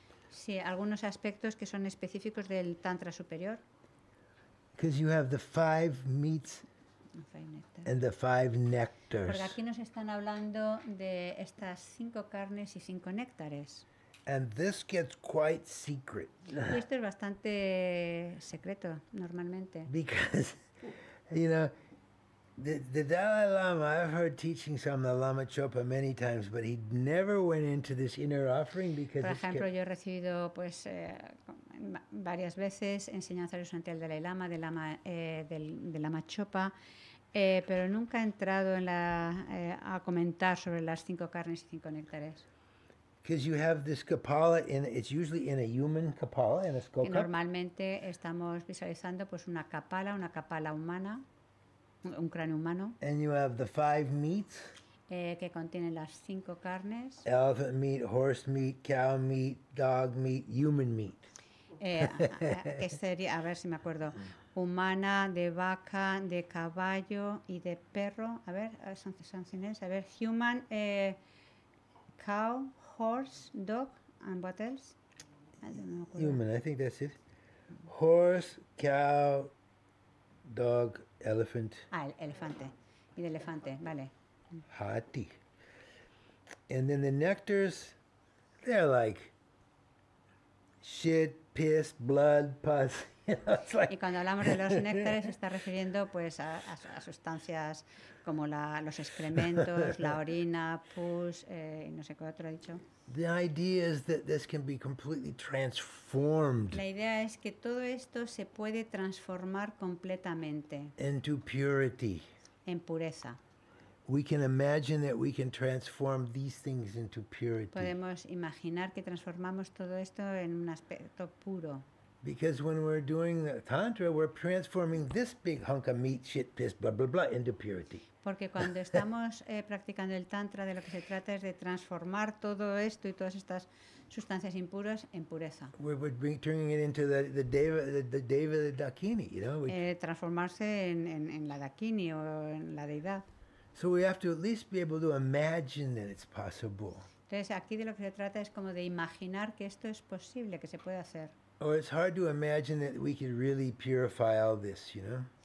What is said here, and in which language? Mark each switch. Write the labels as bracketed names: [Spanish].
[Spanish] Sí, algunos aspectos que son específicos del tantra superior. [English] Because you have the five meats and the five nectars. [Spanish] Porque aquí nos están hablando de estas cinco carnes y cinco néctares. [English] And this gets quite secret. [Spanish] Y esto es bastante secreto, normalmente. [English] Because, you know, the Dalai Lama, I've heard teachings from the Lama Chopa many times, but he never went into this inner offering because. [Spanish] Por ejemplo, yo he recibido pues varias veces enseñanzas durante el Dalai Lama, del Lama Chopa, pero nunca he entrado en la a comentar sobre las cinco carnes y cinco néctares. [English] Because you have this kapala, it's usually in a human kapala, in a skull cup. [Spanish] Normalmente estamos visualizando pues una kapala humana, un cráneo humano. [English] And you have the five meats. [Spanish] Que contienen las cinco carnes. [English] Elephant meat, horse meat, cow meat, dog meat, human meat. [Spanish] que sería, a ver si me acuerdo, humana, de vaca, de caballo y de perro. A ver, son cines, a ver, [English] human, cow, horse, dog, and what else? Human, I think that's it. Horse, cow, dog, elephant. [Spanish] Ah, el elefante. El elefante, vale. [Hindi] Hati. [English] And then the nectars, they're like shit, piss, blood, pus. It's like [Spanish] y cuando hablamos de los néctares, se está refiriendo pues a sustancias como los excrementos, la orina, pus, no sé qué otro ha dicho. [English] The idea is that this can be completely transformed. [Spanish] La idea es que todo esto se puede transformar completamente. [English] Into purity. [Spanish] En pureza. [English] We can imagine that we can transform these things into purity. [Spanish] Podemos imaginar que transformamos todo esto en un aspecto puro. [English] Because when we're doing the tantra, we're transforming this big hunk of meat, shit, piss, blah, blah, blah, into purity. [Spanish] Porque cuando estamos practicando el tantra, de lo que se trata es de transformar todo esto y todas estas sustancias impuras en pureza. [English] We're turning it into the deva, the dakini, you know. [Spanish] Transformarse en la dakini o en la deidad. [English] So we have to at least be able to imagine that it's possible. [Spanish] Entonces aquí de lo que se trata es como de imaginar que esto es posible, que se puede hacer. [English] Or it's hard to imagine that we could really purify all this, you know?